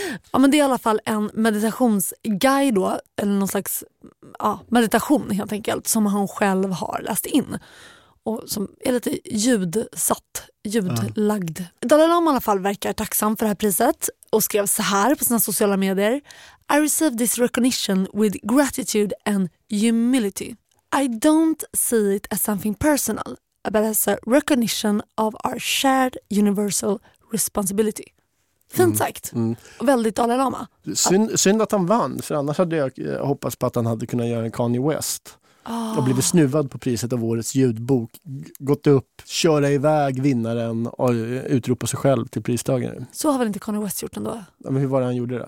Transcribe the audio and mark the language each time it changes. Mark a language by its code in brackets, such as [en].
[sv] Ja, men det är i alla fall en meditationsguide då, eller någon slags meditation helt enkelt, som han själv har läst in. och som är lite ljudsatt, ljudlagd. Dalai Lama i alla fall verkar tacksam för det här priset och skrev så här på sina sociala medier: [en] I receive this recognition with gratitude and humility. I don't see it as something personal, but as a recognition of our shared universal responsibility. [sv] Fint sagt. Mm. Väldigt Dalai Lama. Synd att han vann, för annars hade jag hoppats på att han hade kunnat göra en Kanye West. Oh. Och blivit snuvad på priset av årets ljudbok. Gått upp, köra iväg vinnaren och utropa sig själv till pristagaren. Så har väl inte Kanye West gjort ändå? Ja, men hur var det han gjorde det?